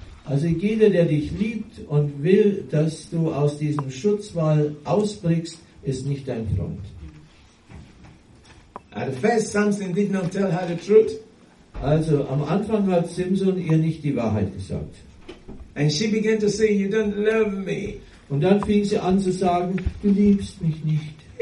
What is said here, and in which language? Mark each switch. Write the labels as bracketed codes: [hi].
[de] Also jeder, der dich liebt und will, dass du aus diesem Schutzwall ausbrichst, ist nicht dein Freund. [en] At first, Samson did not tell her the truth. [de] Also am Anfang hat Samson ihr nicht die Wahrheit gesagt. [en] And she began to say, "You don't love me." [de] Und dann fing sie an zu sagen, du liebst mich nicht.